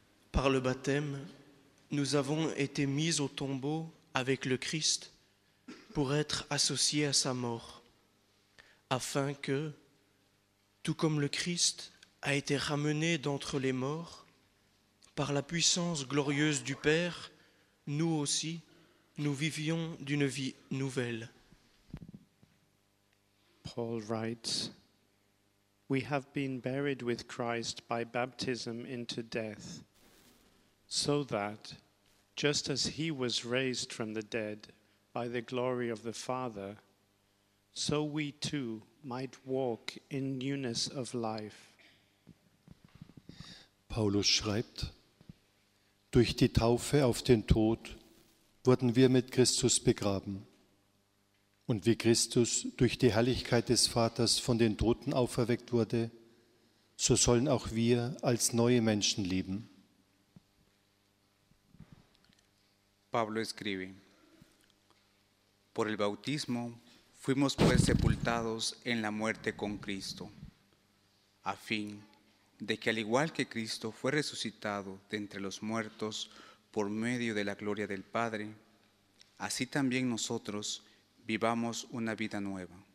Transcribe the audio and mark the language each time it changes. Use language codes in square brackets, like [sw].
[fr] Par le baptême, nous avons été mis au tombeau avec le Christ pour être associés à sa mort, afin que, tout comme le Christ a été ramené d'entre les morts, par la puissance glorieuse du Père, nous aussi, nous vivions d'une vie nouvelle. [en] Paul writes, We have been buried with Christ by baptism into death. So that, just as he was raised from the dead by the glory of the Father, so we too might walk in newness of life. [de] Paulus schreibt, Durch die Taufe auf den Tod wurden wir mit Christus begraben. Und wie Christus durch die Herrlichkeit des Vaters von den Toten auferweckt wurde, so sollen auch wir als neue Menschen leben. [es] Pablo escribe, Por el bautismo fuimos pues sepultados en la muerte con Cristo, a fin de que al igual que Cristo fue resucitado de entre los muertos por medio de la gloria del Padre, así también nosotros vivamos una vida nueva.